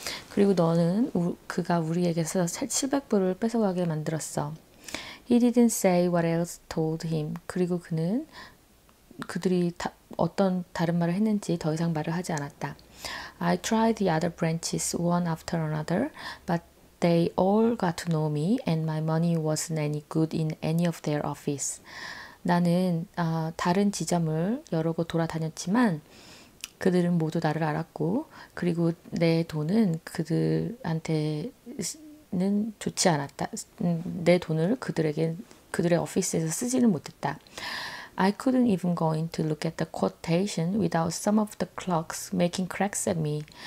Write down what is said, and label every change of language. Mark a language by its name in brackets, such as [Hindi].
[Korean] 그리고 너는 그가 우리에게서 700불을 뺏어가게 만들었어. [English] He didn't say what else told him. [Korean] 그리고 그는 그들이 어떤 다른 말을 했는지 더 이상 말을 하지 않았다. [English] I tried the other branches one after another, but they all got to know me and my money wasn't any good in any of their office. [Korean] 나는 다른 지점을 여러 곳 돌아다녔지만 그들은 모두 나를 알았고 그리고 내 돈은 그들한테는 좋지 않았다. 내 돈을 그들의 오피스에서 쓰지는 못했다. [English] I couldn't even go in to look at the quotation without some of the clerks making cracks at me.